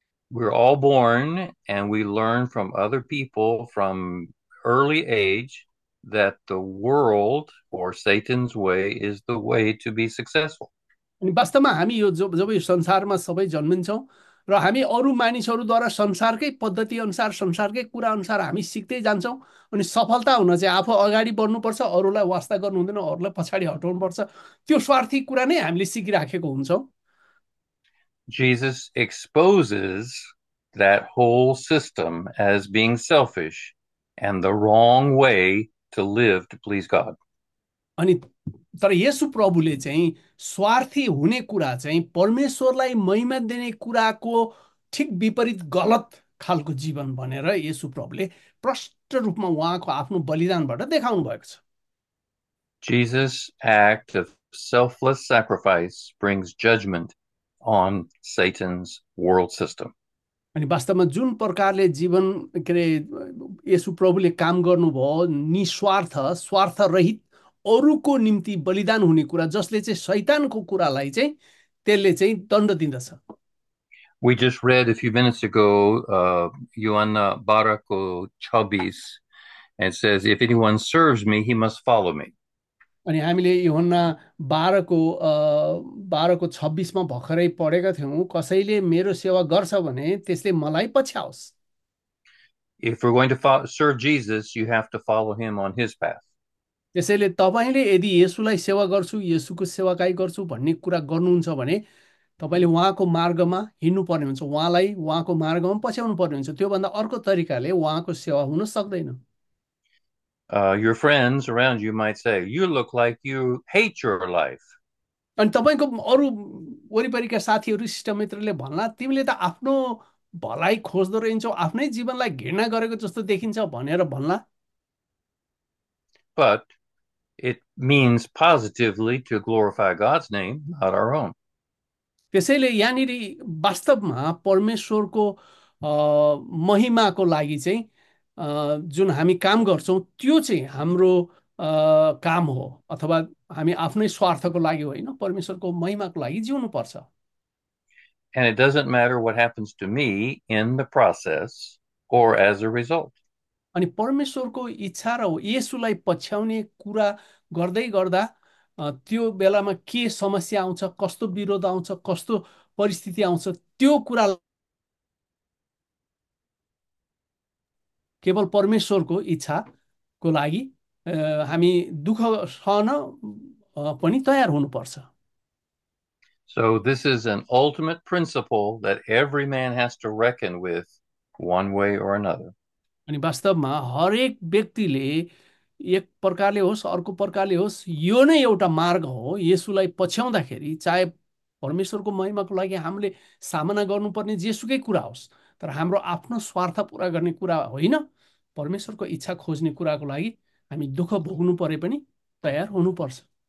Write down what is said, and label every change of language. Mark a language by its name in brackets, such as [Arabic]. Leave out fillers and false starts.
[English] We're all born and we learn from other people from early age that the world or Satan's way is the way to be successful. [Nepali] अनि वास्तवमा हामी यो जब यो संसारमा सबै जन्मिन्छौँ र हामी अरू मानिसहरूद्वारा संसारकै पद्धति अनुसार, संसारकै कुरा अनुसार हामी सिक्दै जान्छौँ, अनि सफलता हुन चाहिँ आफू अगाडि बढ्नुपर्छ, अरूलाई वास्ता गर्नु हुँदैन, अरूलाई पछाडि हटाउनुपर्छ, त्यो स्वार्थी कुरा नै हामीले सिकिराखेको हुन्छौँ। [English] Jesus exposes that whole system as being selfish and the wrong way to live to please God. [Nepali] अनि तर येशु प्रभुले चाहिँ स्वार्थी हुने कुरा चाहिँ परमेश्वरलाई महिमा दिने कुराको ठिक विपरीत गलत खालको जीवन भनेर येशु प्रभुले प्रष्ट रूपमा उहाँको आफ्नो बलिदानबाट देखाउनु भएको छ। [English] Jesus' act of selfless sacrifice brings judgment on Satan's world system. [Nepali] अनि वास्तवमा जुन प्रकारले जीवन के अरे येशु प्रभुले काम गर्नुभयो, निस्वार्थ स्वार्थ रहित अरूको निम्ति बलिदान हुने कुरा, जसले चाहिँ शैतानको कुरालाई चाहिँ त्यसले चाहिँ दण्ड दिँदछ। [English] We just read a few minutes ago Yohana 12:26, and it says, if anyone serves me, he must follow me. [Nepali] अनि हामीले योहन्ना 12 को 12:26 भर्खरै पढेका थियौँ, कसैले मेरो सेवा गर्छ भने त्यसले मलाई पछ्याओस्। [English] If we're going to follow, serve Jesus, you have to follow him on his path. [Nepali] त्यसैले तपाईँले यदि येसुलाई सेवा गर्छु, येसुको सेवाकाई गर्छु भन्ने कुरा गर्नुहुन्छ भने तपाईँले उहाँको मार्गमा हिँड्नुपर्ने हुन्छ, उहाँलाई उहाँको मार्गमा पछ्याउनु पर्ने हुन्छ। त्योभन्दा अर्को तरिकाले उहाँको सेवा हुन सक्दैन। [English] Your friends around you might say, you look like you hate your life. [Nepali] अनि तपाईँको अरू वरिपरिका साथीहरू, इष्टमित्रले भन्ला, तिमीले त आफ्नो भलाइ खोज्दो रहेछौ, आफ्नै जीवनलाई घृणा गरेको जस्तो देखिन्छ भनेर भन्ला। [English] But it means positively to glorify God's name, not our own. [Nepali] त्यसैले यहाँनिर वास्तवमा परमेश्वरको महिमाको लागि चाहिँ जुन हामी काम गर्छौँ त्यो चाहिँ हाम्रो काम हो, अथवा हामी आफ्नै स्वार्थको लागि होइन, परमेश्वरको महिमाको लागि जिउनु पर्छ। [English] And it doesn't matter what happens to me in the process or as a result. [Nepali] अनि परमेश्वरको इच्छा र येशूलाई पछ्याउने कुरा गर्दै गर्दा त्यो बेलामा के समस्या आउँछ, कस्तो विरोध आउँछ, कस्तो परिस्थिति आउँछ, त्यो कुरा केवल परमेश्वरको इच्छाको लागि हामी दुःख सहन पनि तयार हुनुपर्छ। [English] So this is an ultimate principle that every man has to reckon with one way or another. [Nepali] अनि वास्तवमा हरेक व्यक्तिले एक प्रकारले होस् अर्को प्रकारले होस् यो नै एउटा मार्ग हो येशूलाई पछ्याउँदाखेरि, चाहे परमेश्वरको महिमाको लागि हामीले सामना गर्नुपर्ने जेसुकै कुरा होस्, तर हाम्रो आफ्नो स्वार्थ पुरा गर्ने कुरा होइन, परमेश्वरको इच्छा खोज्ने कुराको लागि हामी दुःख भोग्नु परे पनि तयार हुनुपर्छ।